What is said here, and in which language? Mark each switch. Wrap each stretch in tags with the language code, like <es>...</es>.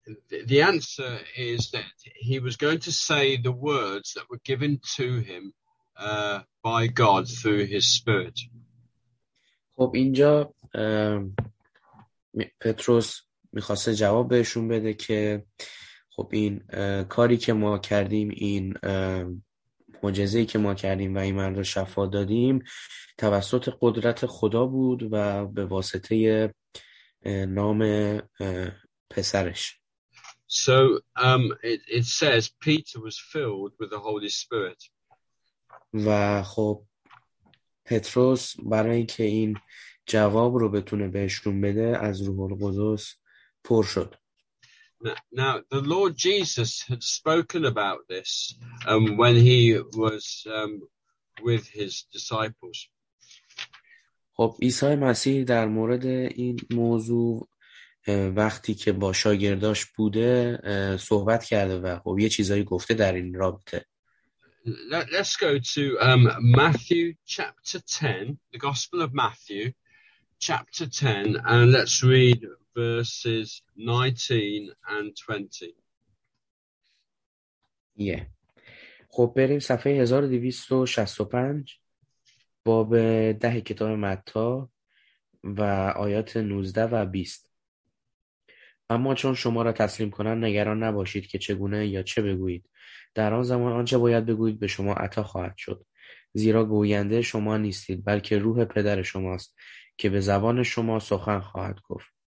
<en>The answer is that he was going to say the words that were given to him by God through his spirit.</en> <fa>خب اینجا پتروس میخواد جواب بهشون بده که خب این کاری که ما کردیم، این معجزه‌ای که ما کردیم و این مرد رو شفا دادیم توسط قدرت خدا بود و به واسطه نام پسرش.</fa> <en>So it says Peter was filled with the Holy Spirit.</en> <fa>و خب پتروس برای اینکه این جواب رو بتونه بهشون بده از روح القدس پر شد.</fa> <en>Now the Lord Jesus had spoken about this when he was with his disciples.</en> <fa>خب عیسی مسیح در مورد این موضوع وقتی که با شاگرداش بوده صحبت کرده و خب یه چیزایی گفته در این رابطه.</fa> <en>Let's go to Matthew chapter 10, the Gospel of Matthew chapter 10, and let's read verses 19 and 20. Yeah.</en> <fa>خب بریم صفحه 1265 باب 10 کتاب متی و آیات 19 و 20. اما چون شما را تسلیم کنند نگران نباشید که چگونه یا چه بگویید. در آن زمان آنچه باید بگویید به شما عطا خواهد شد. زیرا گوینده شما نیستید بلکه روح پدر شماست که به زبان شما سخن خواهد گفت.</fa>